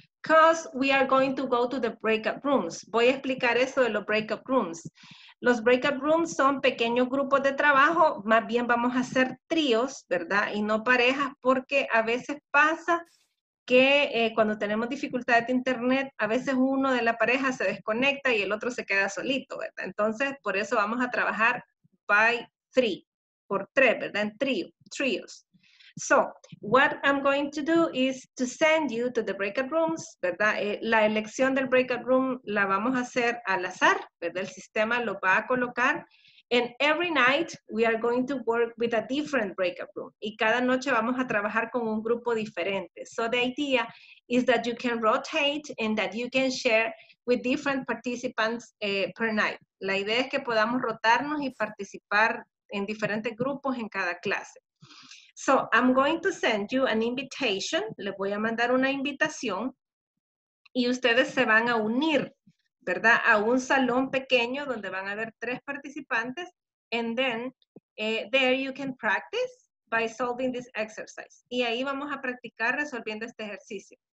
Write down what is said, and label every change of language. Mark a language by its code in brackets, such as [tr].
[en] Because we are going to go to the breakout rooms. [es] Voy a explicar eso de los breakout rooms. Los breakout rooms son pequeños grupos de trabajo. Más bien vamos a hacer tríos, ¿verdad? Y no parejas, porque a veces pasa que cuando tenemos dificultades de internet, a veces uno de la pareja se desconecta y el otro se queda solito, ¿verdad? Entonces, por eso vamos a trabajar [en] by three. [es] Por tres, ¿verdad? En trío, tríos. [en] So, what I'm going to do is to send you to the breakout rooms, ¿verdad? [es] La elección del breakout room la vamos a hacer al azar, ¿verdad? El sistema lo va a colocar. [en] And every night, we are going to work with a different breakout room. [es] Y cada noche vamos a trabajar con un grupo diferente. [en] So, the idea is that you can rotate and that you can share with different participants per night. [es] La idea es que podamos rotarnos y participar en diferentes grupos en cada clase. [en] So, I'm going to send you an invitation. [es] Les voy a mandar una invitación y ustedes se van a unir, ¿verdad? A un salón pequeño donde van a haber tres participantes. [en] And then, there you can practice by solving this exercise. [es] Y ahí vamos a practicar resolviendo este ejercicio.